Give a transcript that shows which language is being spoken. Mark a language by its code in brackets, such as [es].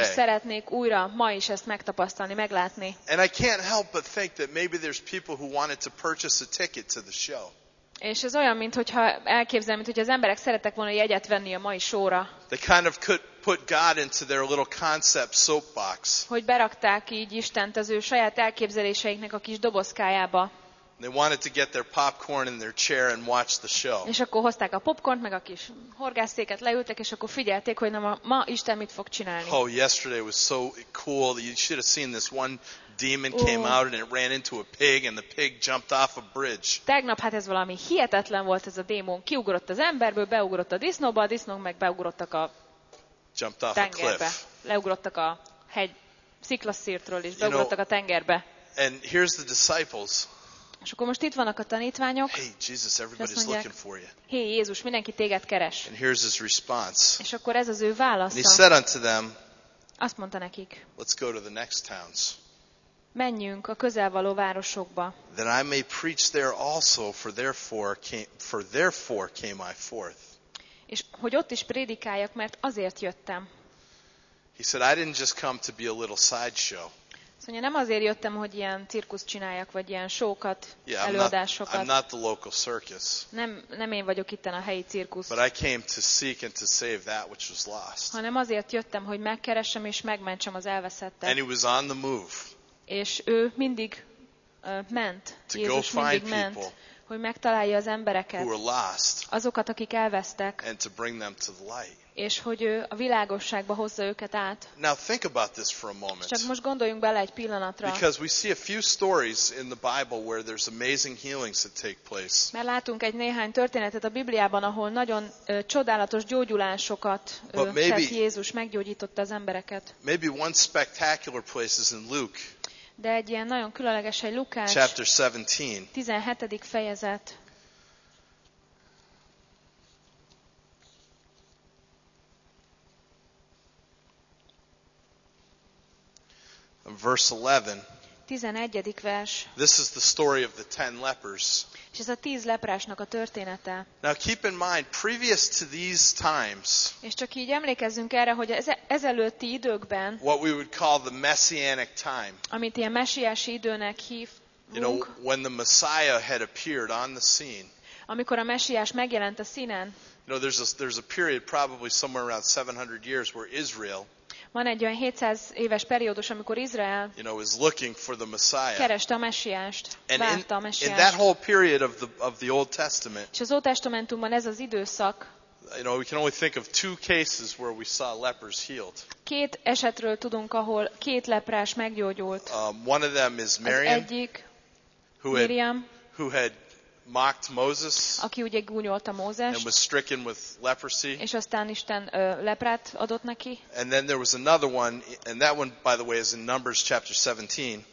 [hu] És szeretnék újra ma is ezt megtapasztalni, meglátni. [en] And I can't help but think that maybe there's people who wanted to purchase a ticket to the show. [hu] És ez olyan, mintha elképzelem, mintha az emberek szerettek volna jegyet venni a mai showra. [en] They kind of could put God into their little concept soapbox. [hu] Hogy berakták így Istent az ő saját elképzeléseiknek a kis dobozkájába. [en] They wanted to get their popcorn in their chair and watch the show. [hu] És akkor hozták a popcornt, meg a kis horgásztéket, leültek, és akkor figyelték, hogy na ma Isten mit fog csinálni. [en] Oh, yesterday was so cool. You should have seen this one demon came out and it ran into a pig and the pig jumped off a bridge. [hu] Tegnap hát ez valami hihetetlen volt ez a démon. Kiugrott az emberből, beugrott a disznóba, a disznók meg beugrottak a [en] jumped off [hu] tengerbe. [en] A cliff. [hu] Leugrottak a hegy sziklaszírtról és beugrottak a tengerbe. [en] And here's the disciples. [hu] És akkor most itt vannak a tanítványok. [en] Hey, Jesus, everybody's looking for you. [hu] Hé, Jézus, mindenki téged keres. [en] And here's his response. [hu] És akkor ez az ő válasza. [en] And he said unto them, [hu] azt mondta nekik, [en] let's go to the next towns. [hu] Menjünk a közelvaló városokba. [en] That I may preach there also, for therefore came I forth. [hu] És hogy ott is prédikáljak, mert azért jöttem. [en] He said, I didn't just come to be a little sideshow. [hu] Szóval nem azért jöttem, hogy ilyen cirkuszt csináljak, vagy ilyen show-kat, előadásokat. [en] I'm not the local circus. [hu] Nem én vagyok itten a helyi cirkusz. [en] But I came to seek and to save that which was lost. [hu] Hanem azért jöttem, hogy megkeressem és megmentsem az elveszettet. [en] And he was on the move. [hu] És ő mindig ment. [en] To [hu] Jézus [en] go [hu] mindig [en] find [hu] ment, [en] people [hu] hogy megtalálja az embereket. [en] Who were lost. [hu] Azokat, akik elvesztek. [en] And to bring them to the light. [hu] És hogy ő a világosságba hozza őket át. [en] Now think about this for a moment. [hu] Csak most gondoljunk bele egy pillanatra. [en] Because we see a few stories in the Bible where there's amazing healings that take place. [hu] Mert látunk egy néhány történetet a Bibliában, ahol nagyon csodálatos gyógyulásokat tett Jézus, meggyógyította az embereket. [en] Maybe one spectacular place is in Luke. [hu] de egy ilyen nagyon különleges, egy Lukács 17. fejezet. [en] Verse 11. [hu] 11. vers. [en] This is the story of the 10 lepers. [hu] És ez a 10 leprásnak a története. [en] Now keep in mind, previous to these times. [hu] És csak így emlékezzünk erre, hogy ezelőtti időkben. [en] What we would call the messianic time. [hu] Amit ilyen messiási időnek hívunk. [en] You know, when the Messiah had appeared on the scene. [hu] Amikor a messiás megjelent a színen. [en] You know, there's a period probably somewhere around 700 years where Israel. [hu] Van egy olyan 700 éves periódus, amikor Izrael, [en] you know, is looking for the Messiah. [hu] Kereste a messiást, várta a messiást. [en] In that whole period of the Old Testament. [hu] És az Új Testamentumban ez az időszak. [en] You know, we can only think of two cases where we saw lepers healed. [hu] Két esetről tudunk, ahol két leprás meggyógyult. [en] One of them is Miriam. [hu] Az egyik, Miriam, [en] who had mocked Moses. [hu] Aki ugye gúnyolta Mózes. [en] And was stricken with leprosy. [hu] És aztán Isten leprát adott neki. [en] And then there was another one, and that one, by the way, is in Numbers chapter 17.